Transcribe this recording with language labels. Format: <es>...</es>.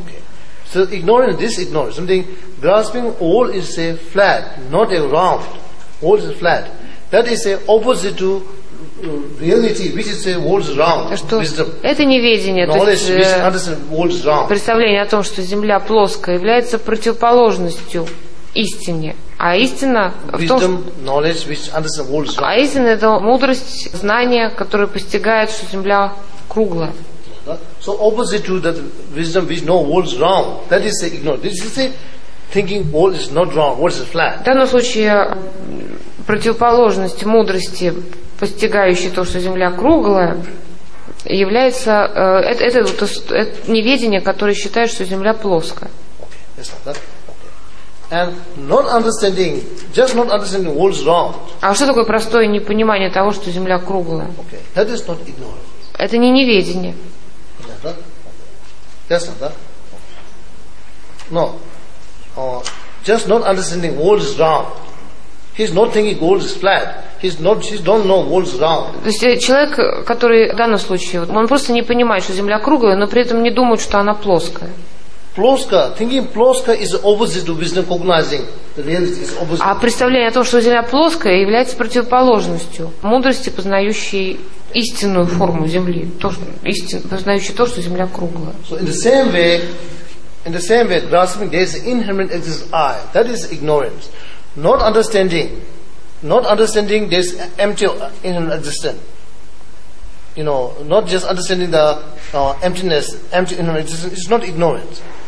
<en>Okay. So ignoring this, ignoring something, grasping all is a flat, not a round. All is flat. That is a opposite to reality, which is a world round.</en> <ru>Это неведение, то есть представление о том, что Земля плоская, является противоположностью истине. А истина в том, а истина это мудрость, знание, которое постигает, что Земля круглая.</ru> <en>So opposite to that wisdom, which knows world's round, that is ignorance. This is thinking world is not round, world is flat.</en> <ru>В данном случае противоположность мудрости, постигающей то, что Земля круглая, является это неведение, которое считает, что Земля плоская.</ru> <en>Okay, it's like that. And not understanding, just not understanding world's round.</en> <ru>А что такое простое непонимание того, что Земля круглая?</ru> <en>Okay, that is not ignorance.</en> <ru>Это не неведение.</ru> <en>That's not that. No. Just not understanding world is round. He's not thinking world is flat. He don't know world is round.</en> <ru>То есть человек, который в данном случае, он просто не понимает, что Земля круглая, но при этом не думает, что она плоская. Плоско.</ru> <en>Thinking плоско is opposite to wisdom cognizing. The reality is opposite.</en> <ru>А представление о том, что Земля плоская, является противоположностью мудрости, познающей истинную форму Земли, познающий то, что Земля круглая.</ru> <en>So in the same way, grasping there is inherent existence I. That is ignorance. Not understanding. Not understanding there is empty inherent existence. You know, not just understanding the emptiness, empty inherent existence, it's not ignorance.</en>